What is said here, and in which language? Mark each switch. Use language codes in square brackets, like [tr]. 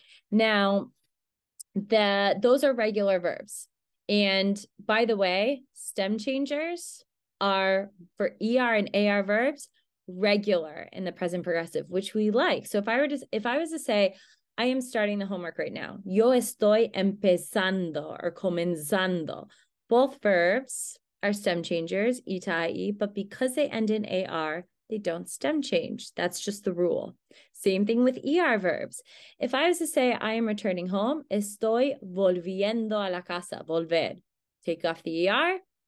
[en] Now, those are regular verbs. And by the way, stem changers are for ER and AR verbs, regular in the present progressive, which we like. So if I was to say, I am starting the homework right now. [es] Yo estoy empezando or comenzando. [en] Both verbs are stem changers, itai, but because they end in AR, they don't stem change. That's just the rule. Same thing with ER verbs. If I was to say, I am returning home, estoy volviendo a la casa, volver. Take off the ER.